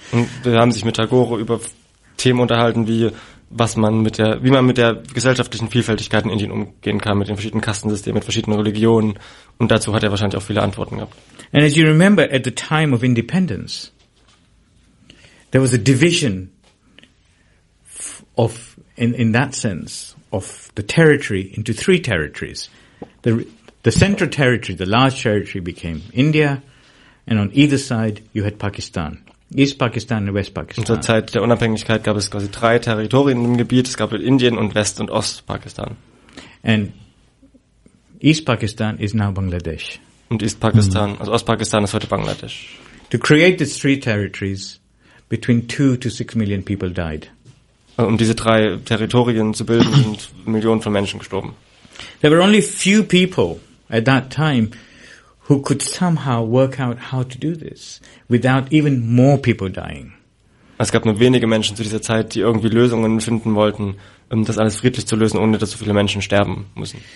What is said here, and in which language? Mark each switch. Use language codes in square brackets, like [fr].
[de] Und wir haben sich mit Tagore über Themen unterhalten, wie man mit der gesellschaftlichen Vielfältigkeit in Indien umgehen kann, mit den verschiedenen Kastensystemen, mit verschiedenen Religionen. Und dazu hat er wahrscheinlich auch viele Antworten gehabt. [en] And as you remember, at the time of independence, there was a division of, in that sense, of the territory into three territories. The central territory, the large territory, became India, and on either side you had Pakistan. East Pakistan and West Pakistan. [de] Und zur Zeit der Unabhängigkeit gab es quasi drei Territorien im Gebiet. Es gab Indien und West- und Ostpakistan. [en] And East Pakistan is now Bangladesh. [de] Und East Pakistan, also Ostpakistan, ist heute Bangladesch. [en] To create these three territories, between 2 to 6 million people died. [de] Um diese drei Territorien zu bilden, sind Millionen von Menschen gestorben. [en] There were only few people at that time who could somehow work out how to do this without even more people dying. [de] Es gab nur wenige Menschen zu dieser Zeit, die irgendwie Lösungen finden wollten, um das alles friedlich zu lösen, ohne dass so viele Menschen sterben müssen.